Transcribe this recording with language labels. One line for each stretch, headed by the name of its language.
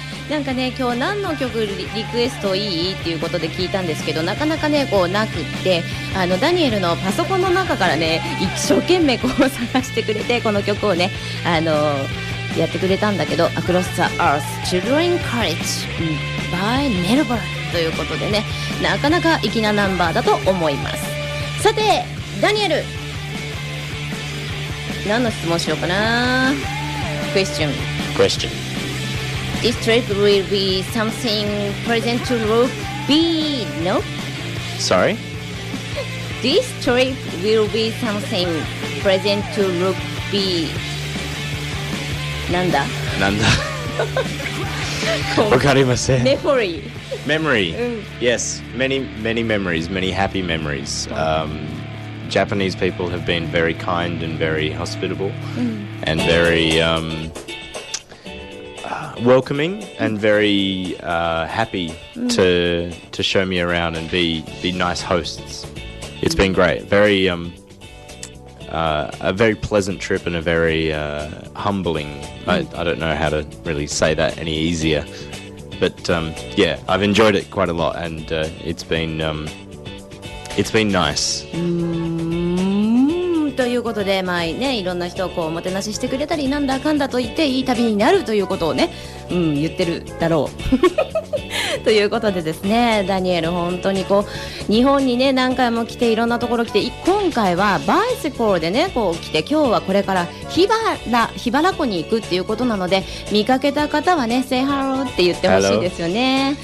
Japanese: なんかね、今日何の曲 リクエストいいっていうことで聞いたんですけど、なかなかねこうなくって、あのダニエルのパソコンの中からね一生懸命こう探してくれて、この曲をねやってくれたんだけど、 Across the Earth Children College、by Melbourne ということでね、なかなか粋なナンバーだと思います。さてダニエル、何の質問しようかな。
English: クエスチョン This trip will be something pleasant to look be no? Sorry? This trip will be something pleasant to look be
Japanese: なんだわかりません。メモリー。 メモリー。
English: Yes, many, many memories, many happy memories.、Japanese people have been very kind and very hospitable、and very、welcoming and very、happy、to show me around and be nice hosts. It's、been great. Very、 a very pleasant trip and a very humbling. I don't know how to really say that any easier. But yeah, I've enjoyed it quite a lot, and it's been nice.
Japanese: ということで、まあね、いろんな人をこうおもてなししてくれたりなんだかんだと言っていい旅になるということをね、うん、言ってるだろうということでですね、ダニエル本当にこう日本にね何回も来ていろんなところ来て、今回はバイセコールでねこう来て、今日はこれから日原湖に行くっていうことなので、見かけた方はね
English: Say hello
Japanese: って言ってほしいですよね。